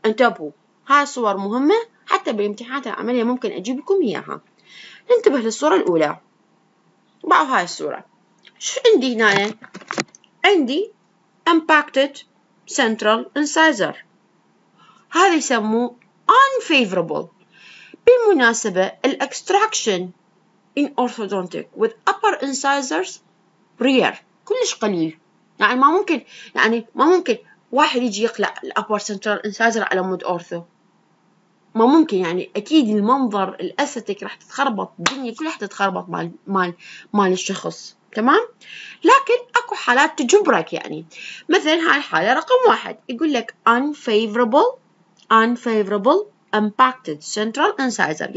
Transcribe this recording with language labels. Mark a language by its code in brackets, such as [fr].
[ar] انتبهوا هاي الصور مهمة حتى بالامتحانات العملية ممكن أجيب لكم إياها. ننتبه للصورة الأولى، ضعوا هاي الصورة. شو عندي هنا؟ عندي [en] impacted central incisor، [ar] هذا يسموه unfavorable. بالمناسبة الـ [en] extraction in orthodontic with upper incisors rare، [ar] كلش قليل. يعني ما ممكن، يعني ما ممكن واحد يجي يقلع الـ upper central incisor على مود ortho، ما ممكن. يعني أكيد المنظر الأستيك راح تتخربط، الدنيا كلها راح تتخربط مال الشخص تمام؟ لكن أكو حالات تجبرك، يعني مثلا هاي الحالة رقم واحد يقول لك [en] unfavorable impacted central incisor.